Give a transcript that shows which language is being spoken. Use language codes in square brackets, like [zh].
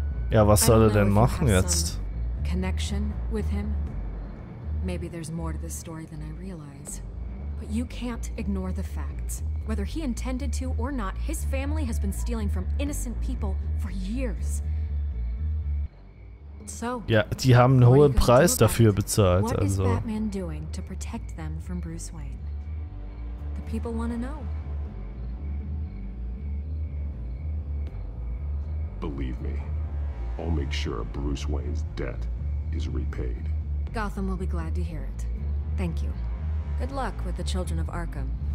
[de] Ja, was soll er denn machen jetzt? [en] Connection with him? Maybe there's more to this story than I realize. But you can't ignore the facts. Whether he intended to or not, his family has been stealing from innocent people for years. So, [de] ja, die haben einen hohen Preis dafür bezahlt, also. [en] What is Batman doing to protect them from Bruce Wayne? The people want to know. Believe me, I'll make sure Bruce Wayne's debt is repaid. Gotham will be glad to hear it. Thank you. Good luck with the children of Arkham.